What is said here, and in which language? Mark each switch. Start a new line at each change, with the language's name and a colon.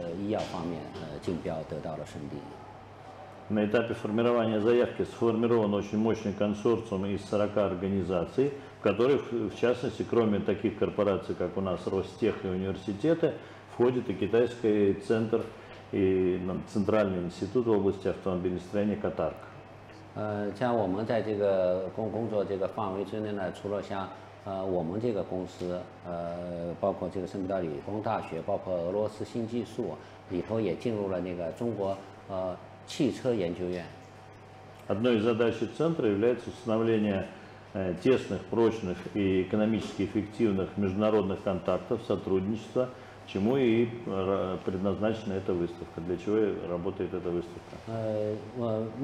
Chinese: 比如呢，莫大呢，它是在另一个方向得到了竞标胜地；那个莫斯科物理工艺大学呢，它是在这个生物医药方面竞标得到了胜地。
Russian: На этапе формирования заявки сформирован очень мощный консорциум из 40 организаций, которые, в частности, кроме таких корпораций, как у нас Ростех и университеты, входит и китайский центр, и центральный институт в области автомобилестроения Катарк.
Chinese: 像我们在这个工作这个范围之内呢，除了像我们这个公司，包括这个圣彼得堡理工大学，包括俄罗斯新技术，里头也进入了那个中国。汽车研究院.
Russian: Одной из задач центра является установление тесных, прочных и экономически эффективных международных контактов, сотрудничества, чему и предназначена эта выставка, для чего и работает эта выставка.